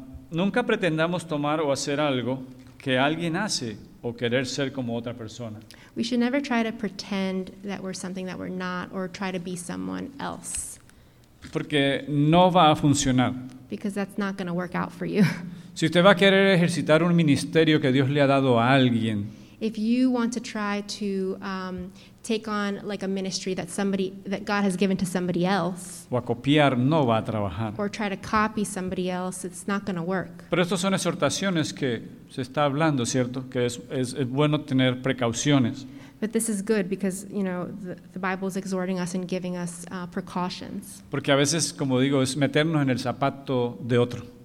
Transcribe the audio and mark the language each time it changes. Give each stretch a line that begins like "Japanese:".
Spanish: Nunca pretendamos tomar o hacer algo que alguien hace o querer ser como otra persona.
English: We should never try to pretend that we're something that we're not or try to be someone else.
Spanish: Porque no va a funcionar.
English: Because that's not going to work out for you.
Spanish: Si usted va a querer ejercitar un ministerio que Dios le ha dado a alguien.
English: If you want to try to take on like a ministry that God has given to somebody else.
Spanish: O a copiar no va a trabajar.
English: Or try to copy somebody else, it's not going to work.
Spanish: Pero estas son exhortaciones que se está hablando, ¿cierto? Que es bueno tener precauciones.
English: But this is good because, you know, the Bible is exhorting us and giving us precautions.
Spanish: Porque a veces, como digo, es meternos en el zapato de otro.